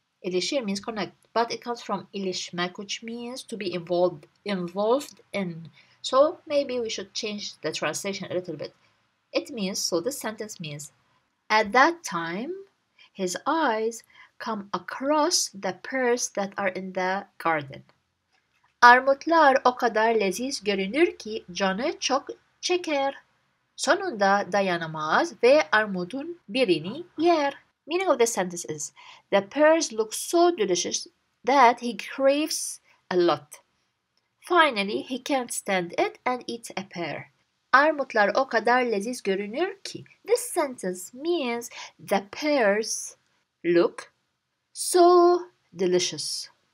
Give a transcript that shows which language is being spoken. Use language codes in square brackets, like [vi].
[en] Ilişir means connect, but it comes from ilişmek, which means to be involved in. So, maybe we should change the translation a little bit. It means, so this sentence means, at that time, his eyes come across the pears that are in the garden. [tr] Armutlar o kadar leziz görünür ki canı çok çeker. Sonunda dayanamaz ve armudun birini yer. [en] Meaning of this sentence is, the pears look so delicious that he craves a lot. Finally, he can't stand it and eats a pear. [tr] Armutlar o kadar leziz görünür ki. [en] This sentence means the pears look so delicious.